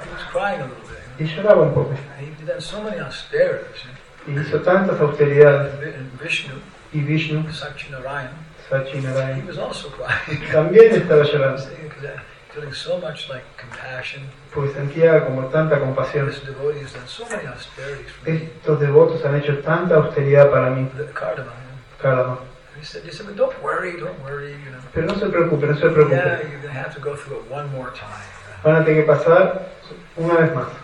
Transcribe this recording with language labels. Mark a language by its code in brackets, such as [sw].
[en] He was crying a little bit, [es] y lloraba un poco. [en] He did so many austerities, eh? [es] Y hizo tantas austeridades. [en] And Vishnu, [es] y Vishnu. [en] Sachinarayan. [es] Sachinarayan. [en] He was also crying. [es] También estaba llorando. [en] Feeling so much like compassion. [es] Pues sentía como tanta compasión. [en] This devotee has done so many austerities for me. [es] Estos devotos han hecho tanta austeridad para mí. [en] Cardamom. He said, but don't worry, you know. [es] Pero no se preocupe, no se preocupe. [en] Yeah, you're gonna have to go through it one more time. [es] Van a tener que pasar una vez más.